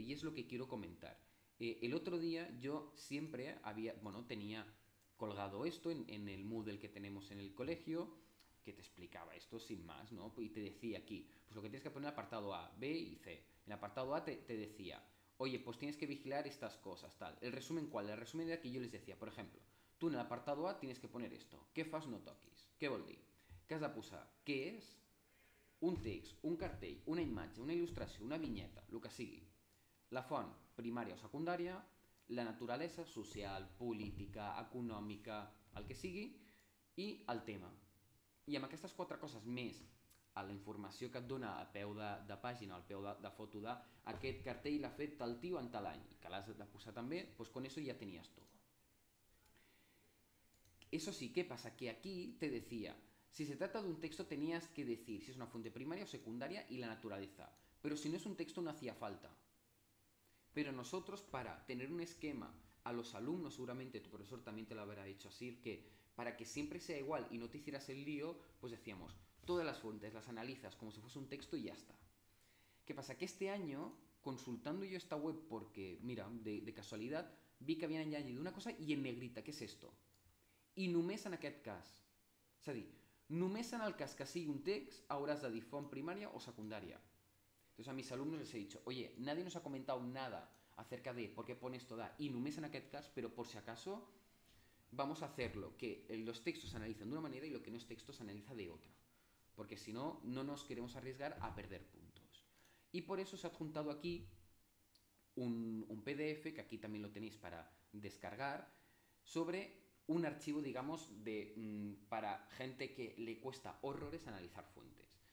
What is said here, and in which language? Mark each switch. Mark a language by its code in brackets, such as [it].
[es] Y es lo que quiero comentar. El otro día yo siempre había, bueno, tenía colgado esto en el Moodle que tenemos en el colegio, que te explicaba esto sin más, ¿no? Y te decía aquí, pues lo que tienes que poner en el apartado A, B y C. En el apartado A te decía, oye, pues tienes que vigilar estas cosas, tal. ¿El resumen cuál? El resumen de aquí yo les decía, por ejemplo, tú en el apartado A tienes que poner esto. [ca] ¿Qué fas no toquis? ¿Qué vol dir? ¿Qué has de posar? ¿Qué es? Un text, un cartell, una imatge, una il·lustració, una vinyeta, lo que sigui. La font, primària o secundària, la naturalesa, social, política, econòmica, el que sigui, i el tema. I amb aquestes quatre coses més, a la informació que et dona a peu de pàgina, al peu de foto de aquest cartell l'ha fet el tio en tal any, que l'has de posar també, doncs [es] con eso [ca] ja tenies tot. [es] Eso sí, [ca] què passa? [es] Que aquí te decía, si se trata de un texto tenías que decir si es una fuente primaria o secundaria y la naturaleza, pero si no es un texto no hacía falta. Pero nosotros, para tener un esquema a los alumnos, seguramente tu profesor también te lo habrá dicho así, que para que siempre sea igual y no te hicieras el lío, pues decíamos, todas las fuentes las analizas como si fuese un texto y ya está. ¿Qué pasa? Que este año, consultando yo esta web, porque, mira, de casualidad, vi que habían añadido una cosa y en negrita, ¿qué es esto? [ca] I només en aquest cas. És a dir, només en el cas que sigui un text hauràs de dir font primària o secundària. [es] Entonces a mis alumnos les he dicho, oye, nadie nos ha comentado nada acerca de por qué pones toda y [ca] només en aquest cas, [es] pero por si acaso vamos a hacerlo, que los textos se analizan de una manera y lo que no es texto se analiza de otra. Porque si no, no nos queremos arriesgar a perder puntos. Y por eso se ha adjuntado aquí un PDF, que aquí también lo tenéis para descargar, sobre un archivo, digamos, para gente que le cuesta horrores analizar fuentes.